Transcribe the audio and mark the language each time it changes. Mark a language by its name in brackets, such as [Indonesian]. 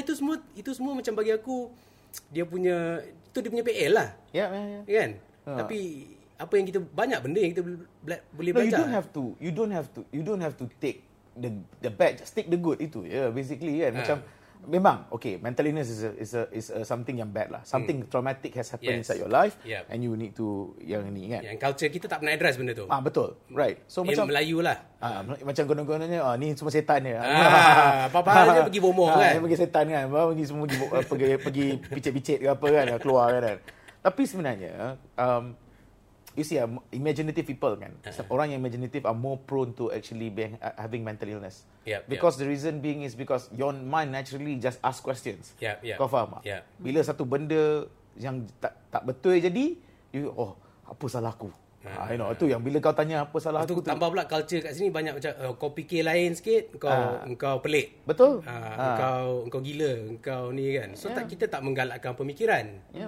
[Malay] Itu semua macam bagi aku dia punya itu dia punya PL lah. Kan Tapi apa yang kita banyak benda yang kita boleh belajar. [English] You don't have to take the bad, stick the good itu basically kan. [Malay] Macam memang [English] okay, mental illness is a something yang bad lah. Something traumatic has happened inside your life, and you need to [Malay] yang ni kan. Yang culture kita tak pernah address benda tu. Ah betul, right. So in macam Melayu lah. Macam guna-gunanya, ni semua setan ya. Apa-apa dia pergi bomoh kan? Pergi setan kan? Bawa pergi semua pergi picit-picit ke apa kan? Keluar kan? [English] Tapi sebenarnya, you see, imaginative people kan. [Malay] Orang yang [English] imaginative are more prone to actually having mental illness. Yep, because the reason being is because your mind naturally just ask questions. [Malay] Kau faham tak? Bila satu benda yang tak betul jadi, apa salah aku? Itu yang bila kau tanya apa salah aku. Tambah pula culture kat sini banyak macam kau fikir lain sikit, kau pelik. Betul. Kau gila, kau ni kan. So kita tak menggalakkan pemikiran.